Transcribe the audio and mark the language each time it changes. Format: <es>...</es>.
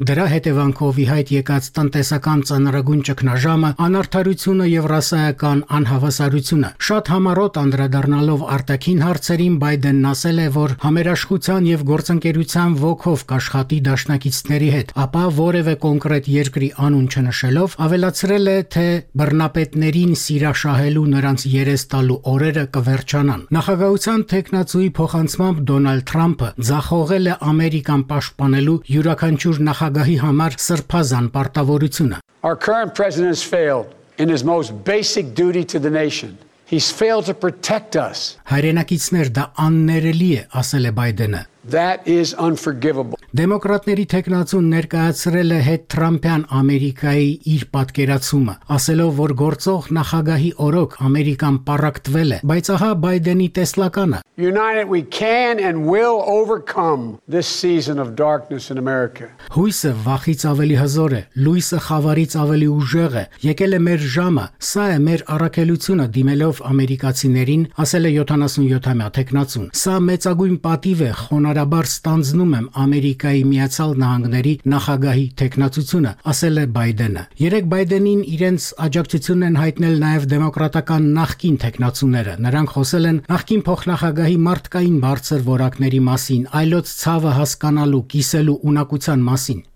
<hy>դրա հետևանքով իհայտ եկած տնտեսական ծանրագույն ճգնաժամը, անարդարությունը եւ ռասայական անհավասարությունը։ Շատ համառոտ անդրադառնալով արտաքին հարցերին, Բայդենն ասել է, որ համերաշխության եւ գործընկերության ոգով կաշխատի դաշնակիցների հետ, ապա որևէ կոնկրետ երկրի անուն չնշելով ավելացրել է, թե բռնապետներին սիրաշահելու նրանց երես տալու օրերը կվերջանան։ Նախագահության թեկնածուի փոխանցումը Դոնալդ Թրամփը ձախողել է Ամերիկան պաշտպանելու յուրաքանչյուր նախագահի համար սրբազան պարտավորությունը։</hy> <en>Our current president has failed in his most basic duty to the nation. He's failed to protect us.</en> <hy>Հայրենակիցներ, դա աններելի է, ասել է Բայդենը։</hy> <en>That is unforgivable.</en> <hy>Դեմոկրատների թեկնածուն ներկայացրել է հետ Թրամփյան Ամերիկայի իր պատկերացումը, ասելով, որ գործող նախագահի օրոք Ամերիկան պարակտվել է, բայց ահա Բայդենի տեսլականը.</hy> <en>United we can and will overcome this season of darkness in America.</en> <hy>Հույսը վախից ավելի հզոր է, լույսը խավարից ավելի ուժեղ է, եկել է մեր ժամը, սա է մեր առաքելությունը, դիմելով ամերիկացիներին, ասել է 77-ամյա թեկնածուն։ Սա մեծագույն պատիվ է, հոնարաբար ստանձնում եմ Ամերիկայի Միացյալ Նահանգների նախագահի թեկնածությունը, ասել է Բայդենը։ Երեկ Բայդենին իրենց աջակցությունն են հայտնել նաև դեմոկրատական նախկին թեկնածուները։ Նրանք խոսել են նախկին փոխնախագահի մարդկային բարձր որակների մասին, այլոց ցավը հասկանալու, կիսելու ունակության մասին։</hy>